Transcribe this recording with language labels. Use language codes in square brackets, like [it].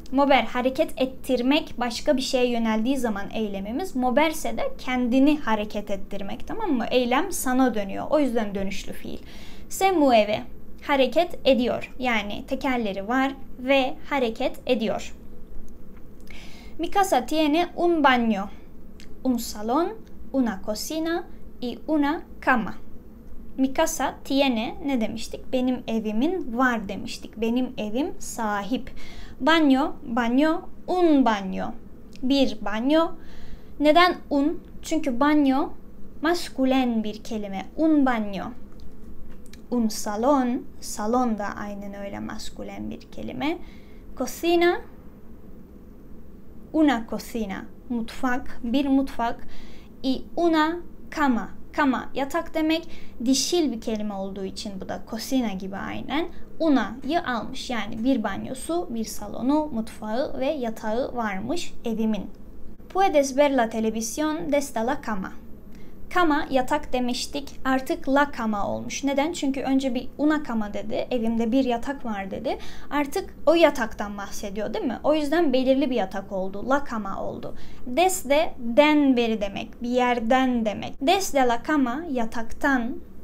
[tr] Mover, hareket ettirmek, başka bir şeye yöneldiği zaman eylemimiz. Moverse de kendini hareket ettirmek, tamam mı? Eylem sana dönüyor. O yüzden dönüşlü fiil. Se mueve, hareket ediyor. Yani tekerleri var ve hareket ediyor. [es] Mi casa tiene un baño, un salón, una cocina y una cama. Mi casa tiene [tr] ne demiştik? Benim evimin var demiştik. Benim evim sahip. Banyo, banyo, [es] un banyo. [tr] Bir banyo. Neden un? Çünkü banyo maskülen bir kelime. [es] Un banyo. Un salon. [tr] Salon da aynen öyle maskülen bir kelime. Cocina. [es] Una cocina. [tr] Mutfak. Bir mutfak. [es] Y una cama. [tr] Kama, yatak demek, dişil bir kelime olduğu için bu da cocina gibi aynen. Una'yı almış. Yani bir banyosu, bir salonu, mutfağı ve yatağı varmış evimin. [es] Puedes ver la televisión desde la cama. [tr] Kama, yatak demiştik. Artık [es] la cama [tr] olmuş. Neden? Çünkü önce bir [es] una cama [tr] dedi. Evimde bir yatak var dedi. Artık o yataktan bahsediyor değil mi? O yüzden belirli bir yatak oldu. [es] La cama [tr] oldu. Desde, den beri demek. Bir yerden demek. [es] Desde la cama, [tr] yataktan.